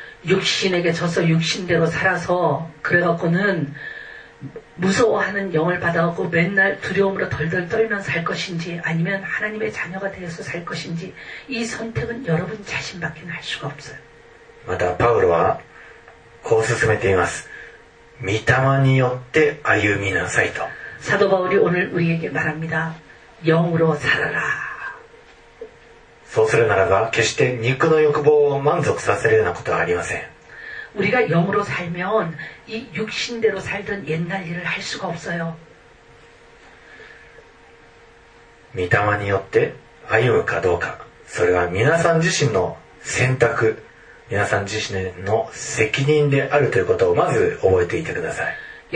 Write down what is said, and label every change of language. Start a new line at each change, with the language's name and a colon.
Korean: 육신에게져서육신대로살아서그래갖고는무서워하는영을받아갖고맨날두려움으로덜덜떨면살것인지아니면하나님의자녀가되어서살것인지이선택은여러분자신밖에할수가없어요
Japanese: また바울はこう進めています御霊によって歩みなさいと
Korean: 사도바울이오늘우리에게말합니다영으로살아라
Japanese: そうするならば決して肉の欲望を満足させるようなことはありません
Korean: 우리가영으로살면이육신대로살던옛날일을할수가없어요
Japanese: 미타마によって歩むかどうかそれは皆さん自身の選択皆さん自身の責任であるということをまず覚えていてください